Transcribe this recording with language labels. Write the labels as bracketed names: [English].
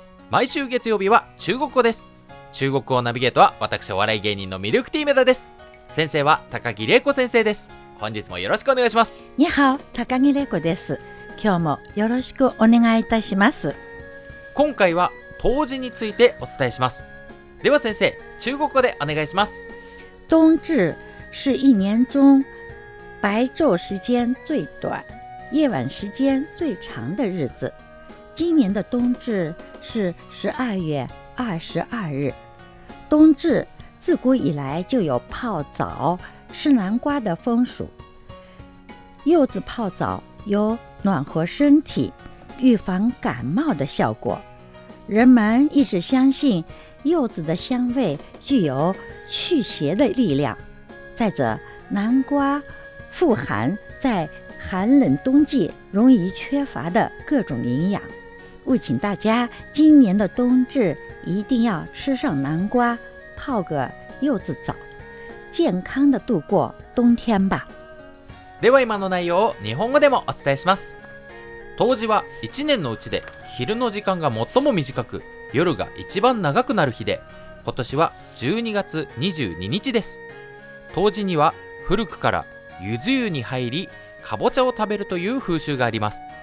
[Japanese] 毎週月曜日は中国語です。中国語ナビゲートは私お笑い芸人のミルクティー梅田です。先生は高木玲子先生です。本日もよろしくお願いします。ニハオ、高木玲子です。今日もよろしくお願いいたします。今回は冬至についてお伝えします。では先生、中国語でお願いします。 [Chinese] 冬至是一年中白昼时间最短、夜晚时间最长的日子。今年的冬至是12月22日。冬至自古以来就有泡澡、吃南瓜的风俗。柚子泡澡有暖和身体、预防感冒的效果。人们一直相信柚子的香味具有驱邪的力量。再者，南瓜富含在寒冷冬季容易缺乏的各种营养，务请大家今年的冬至一定要吃上南瓜，泡个柚子澡，健康的度过冬天吧。 [Japanese] では今の内容を日本語でもお伝えします。冬至は1年のうちで昼の時間が最も短く、夜が一番長くなる日で、今年は12月22日です。冬至には古くから柚子湯に入りかぼちゃを食べるという風習があります。